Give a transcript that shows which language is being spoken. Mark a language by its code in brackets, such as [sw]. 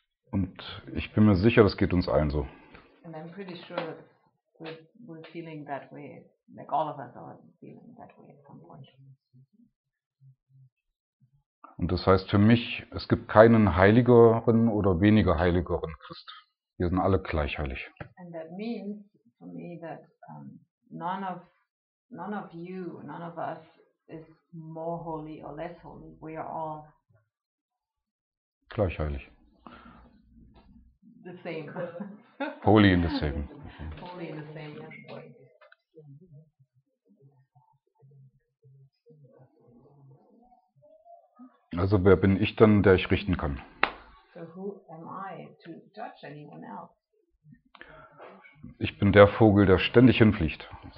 [de] Und ich bin mir sicher, das geht uns allen so. [en] And I'm pretty sure that we're feeling that way, like all of us are feeling that way at some point. [de] Und das heißt für mich, es gibt keinen heiligeren oder weniger heiligeren Christ. Wir sind alle gleich heilig. [en] And that means for me that none of you, none of us is more holy or less holy. We are all [de] gleich heilig. [en] The same. Holy in the same. Holy in the same, yes. [de] Also wer bin ich dann, der ich richten kann? [en] So who am I to judge anyone else? [de] Ich bin der Vogel, der ständig hinfliegt.